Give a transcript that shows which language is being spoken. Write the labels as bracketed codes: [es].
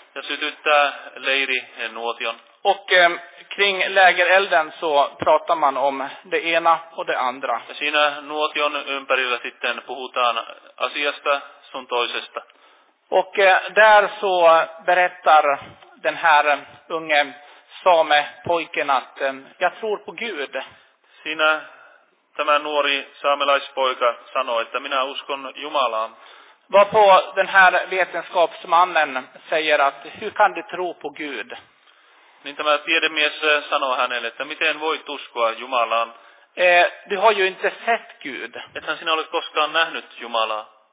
[fi] Ja sytyttää leirinuotion. [sv] Och kring lägerelden så pratar man om det ena och det andra. [fi] Ja siinä nuotion ympärillä sitten puhutaan asiasta sun toisesta. [sv] Och där så berättar den här unge samepojken att jag tror på Gud. [fi] Siinä tämä nuori saamelaispoika sanoi, että minä uskon Jumalaan. [sv] Varpå den här vetenskapsmannen säger att hur kan du tro på Gud? [fi] Niin tämä tiedemies sanoo hänelle, että miten voit uskoa Jumalaan? [sv] Du har ju inte sett Gud. [fi] Ethän sinä ole koskaan nähnyt Jumalaa.